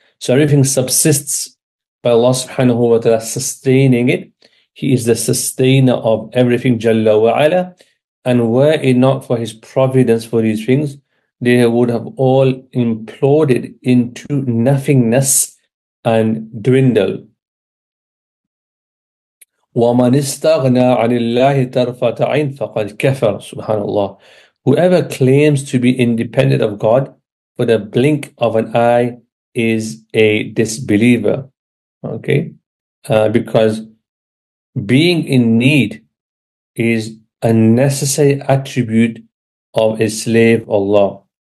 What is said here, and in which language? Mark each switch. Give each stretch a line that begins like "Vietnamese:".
English: So everything subsists by Allah subhanahu wa ta'ala sustaining it. He is the sustainer of everything, Jalla wa'ala. And were it not for his providence for these things, they would have all imploded into nothingness and dwindle.
Arabic: وَمَنِ اسْتَغْنَى عَنِ اللَّهِ تَرْفَةَ عَيْنٍ فَقَدْ كَفَرَ, subhanAllah.
English: Whoever claims to be independent of God for the blink of an eye is a disbeliever. Okay? Because being in need is a necessary attribute of a slave Allah.